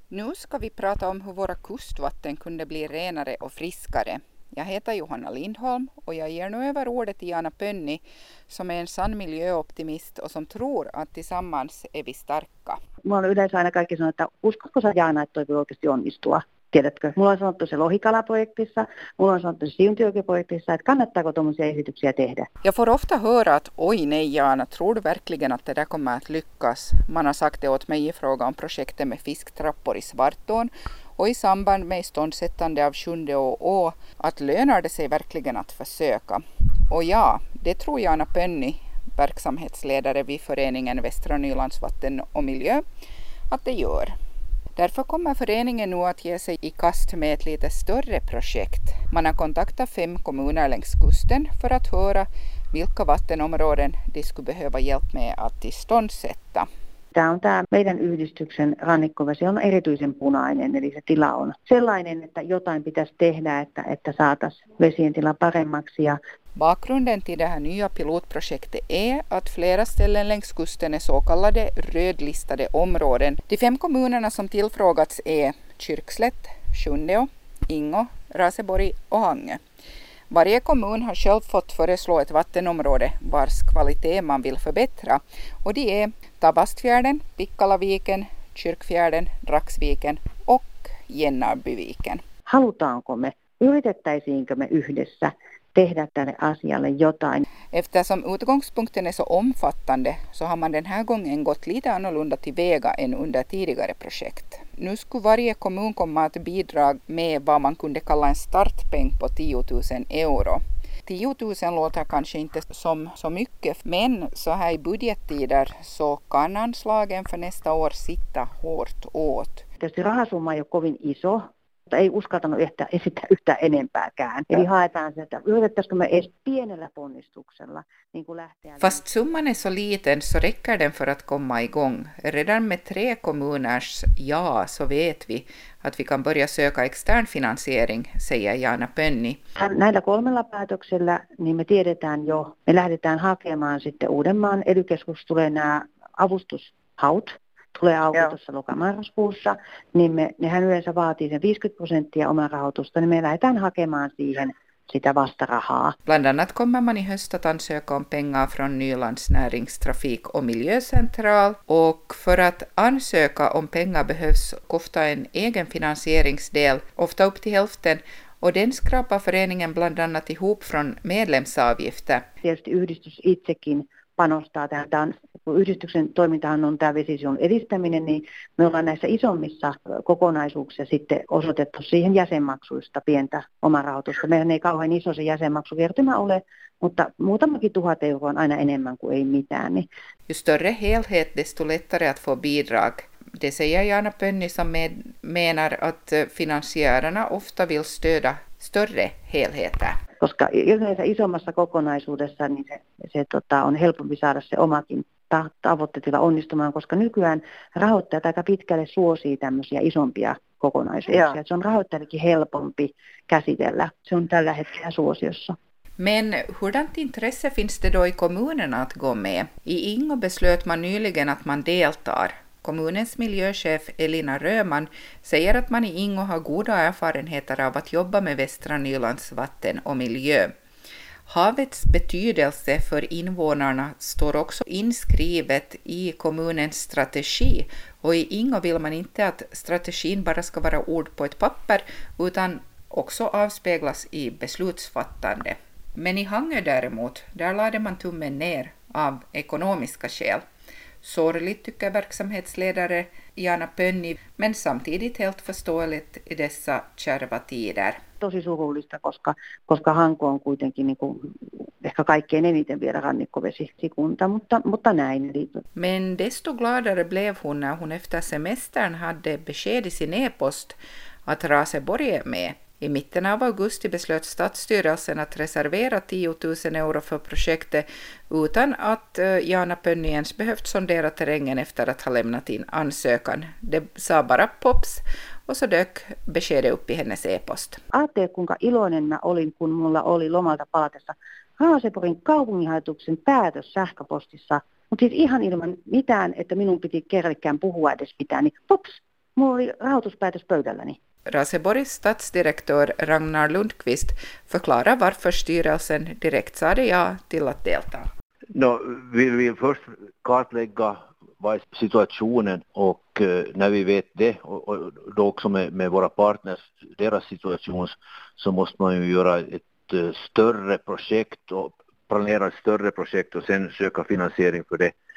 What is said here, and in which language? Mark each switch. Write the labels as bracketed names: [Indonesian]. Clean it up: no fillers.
[Swedish] Nu ska vi prata om hur våra kustvatten kunde bli renare och friskare. Jag heter Johanna Lindholm och jag ger nu över ordet till Jana Pönni som är en sann miljöoptimist och som tror att tillsammans är vi starka. [Finnish] Mulla on yleensä aina kaikki sanoo, että uskotko sä Jana, että toi voi oikeasti onnistua? Tiedätkö? Mulla on sanottu se Lohikala-projektissa, mulla on sanottu se Siuntiojoki-projektissa, että kannattaako tuommoisia esityksiä tehdä? [Swedish] Jag får ofta höra att, oj nej Jana, tror du verkligen att det där kommer att lyckas? Man har sagt det åt mig i fråga om projektet med fisktrappor i Svartån och i samband med ståndsättande av sjunde å, att lönar det sig verkligen att försöka? Och ja, det tror Jana Pönni, verksamhetsledare vid föreningen Västra Nylands vatten och miljö, att det gör. Därför kommer föreningen nu att ge sig i kast med ett lite större projekt. Man har kontaktat 5 kommuner längs kusten för att höra vilka vattenområden de skulle behöva hjälp med att iståndsätta. [Finnish] Tämä on tämä meidän yhdistyksen rannikkovesi on erityisen punainen, eli se tila on sellainen, että jotain pitäisi tehdä, että saataisiin vesien tila paremmaksi. Ja [Swedish] bakgrunden till det här nya pilotprojektet är att flera ställen längs kusten är så kallade rödlistade områden. De 5 kommunerna som tillfrågats är Kyrkslätt, Sjundeå, Ingå, Raseborg och Hangö. Varje kommun har själv fått föreslå ett vattenområde vars kvalitet man vill förbättra. Och det är Tavastfjärden, Pikkalaviken, Kyrkfjärden, Draxviken och Jennarbyviken. [Finnish] Halutaanko me? Yritettäisiinkö me yhdessä tehdä tälle asialle jotain? [Swedish] Eftersom utgångspunkten är så omfattande så har man den här gången gått lite annorlunda till väga än under tidigare projekt. Nu skulle varje kommun komma att bidra med vad man kunde kalla en startpeng på 10 000 euro. 10 000 låter kanske inte som så mycket, men så här i budgettider så kan anslagen för nästa år sitta hårt åt. [Finnish] Tietysti rahasumma ei ole kovin iso, mutta ei uskaltanut ehkä esittää yhtään enempääkään. Eli haetaan se, että yritettäisikö me edes pienellä ponnistuksella niin kuin lähteä. [Swedish] Fast summan är så liten så räcker den för att komma igång. Redan med 3 kommuners ja så vet vi att vi kan börja söka extern finansiering, säger Jana Pönni. [Finnish] Näillä 3 päätöksellä niin me tiedetään jo, me lähdetään hakemaan sitten Uudenmaan ELY-keskus tulee nämä avustushaut. Tulee auki tuossa lokamarraskuussa, niin nehän yleensä vaatii sen 50% oman rahoitusta, niin me lähdetään hakemaan siihen sitä vastarahaa. [Swedish] Bland annat kommer man i höst att ansöka om pengar från Nylands näringstrafik och miljöcentral. Och för att ansöka om pengar behövs ofta en egen finansieringsdel, ofta upp till hälften. Och den skrapar föreningen bland annat ihop från medlemsavgifter. [Finnish] Tietysti yhdistys itsekin panostaa tähän. Tämä on, kun yhdistyksen toimintahan on tämä vesisuojelun edistäminen, niin me ollaan näissä isommissa kokonaisuuksissa sitten osoitettu siihen jäsenmaksuista pientä oman rahoitusta. Meillä ei kauhean iso se jäsenmaksukertymä ole, mutta muutamakin 1 000 euroa on aina enemmän kuin ei mitään. Niin. [Swedish] Ju större helhet, desto lättare att få bidrag. Det säger Jana Pönni som menar att finansiärerna ofta vill stöda större helheter. [Finnish] Koska yleensä isommassa kokonaisuudessa niin se on helpompi saada se omakin tavoitteetilla onnistumaan, koska nykyään rahoittajat aika pitkälle suosii tämmöisiä isompia kokonaisuuksia. Se on rahoittajallekin helpompi käsitellä. Se on tällä hetkellä suosiossa. [Swedish] Men hurdant intresse finns det då i kommunerna att gå med? I Ingo beslöt man nyligen att man deltar. Kommunens miljöchef Elina Röman säger att man i Ingo har goda erfarenheter av att jobba med Västra Nylands vatten och miljö. Havets betydelse för invånarna står också inskrivet i kommunens strategi och i Ingo vill man inte att strategin bara ska vara ord på ett papper utan också avspeglas i beslutsfattande. Men i Hangö däremot, där lade man tummen ner av ekonomiska skäl. Sorgligt tycker verksamhetsledare Jana Pönni, men samtidigt helt förståeligt i dessa kärva tider. [Finnish] Tosi surullista, koska Hanko on kuitenkin niin kuin ehkä kaikkein eniten vielä rannikkovesikunta, mutta näin. [Swedish] Men desto gladare blev hon när hon efter semestern hade besked i sin e-post att Raseborg är med. I mitten av augusti beslöt stadsstyrelsen att reservera 10 000 euro för projektet utan att Jana Pönni ens behövt sondera terrängen efter att ha lämnat in ansökan. Det sa bara pops och så dök beskedet upp i hennes e-post. [Finnish] Ajatte, kuinka iloinen mä olin, kun mulla oli lomalta palatessa Raaseborgin kaupunginhallituksen päätös sähköpostissa, mutta siis ihan ilman mitään, että minun piti kerrallikään puhua edes mitään, niin pops, Mulla oli rahoituspäätös pöydälläni. [Swedish] Raseborgs statsdirektör Ragnar Lundqvist förklarar varför styrelsen direkt sade ja till att delta. No, vi vill först kartlägga vad situationen och när vi vet det och då också med våra partners, deras situation, så måste man ju göra ett större projekt och planera ett större projekt och sen söka finansiering för det.